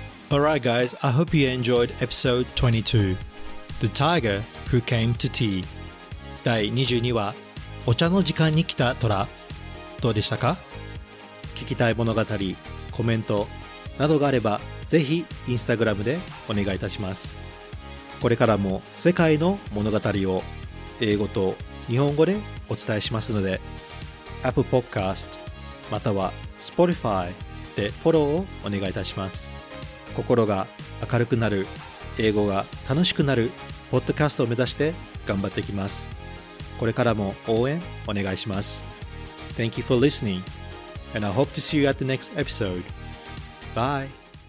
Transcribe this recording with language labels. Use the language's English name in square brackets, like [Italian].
[English] Alright guys, I hope you enjoyed episode 22, The Tiger Who Came to Tea. [Japanese] 第22話、お茶の時間に来た虎、どうでしたか？聞きたい物語、コメントなどがあれば、ぜひインスタグラムでお願いいたします。これからも世界の物語を英語と日本語でお伝えしますので、Apple Podcast または Spotify でフォローをお願いいたします。心が明るくなる、英語が楽しくなるポッドキャストを目指して頑張っていきます。これからも応援お願いします。 [English] Thank you for listening, and I hope to see you at the next episode. Bye!